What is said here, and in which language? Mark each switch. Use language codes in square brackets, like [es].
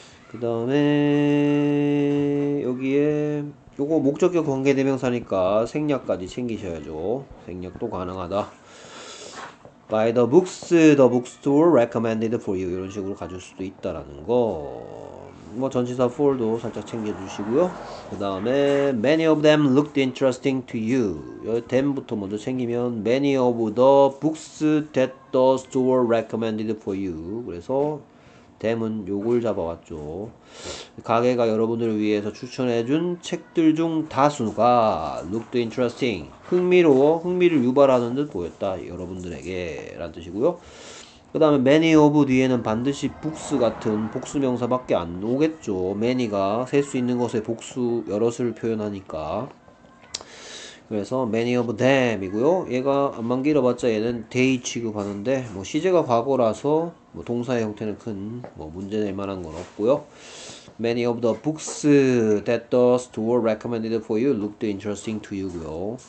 [ko] 그 다음에 여기에 요거 목적격 관계대명사니까 생략까지 챙기셔야죠. 생략도 가능하다. [en] By the books, the bookstore recommended for you [ko] 이런 식으로 가질 수도 있다라는 거. 뭐 전치사 for도 살짝 챙겨주시고요. 그 다음에 [en] many of them looked interesting to you. [ko] 여기 them부터 먼저 챙기면 [en] many of the books that the store recommended for you. [ko] 그래서 them은 요걸 잡아왔죠. 가게가 여러분들을 위해서 추천해준 책들 중 다수가 [en] looked interesting, [ko] 흥미로워, 흥미를 유발하는 듯 보였다 여러분들에게 라는 뜻이고요. 그 다음에 many of 뒤에는 반드시 books 같은 복수명사밖에 안 오겠죠. many가 셀수 있는 것의 복수 여럿을 표현하니까. 그래서 many of them이고요. 얘가 안만 길어봤자 얘는 they 취급하는데 뭐 시제가 과거라서 뭐 동사의 형태는 큰뭐 문제 될 만한 건 없고요. [en] many of the books that the store recommended for you looked interesting to you고요.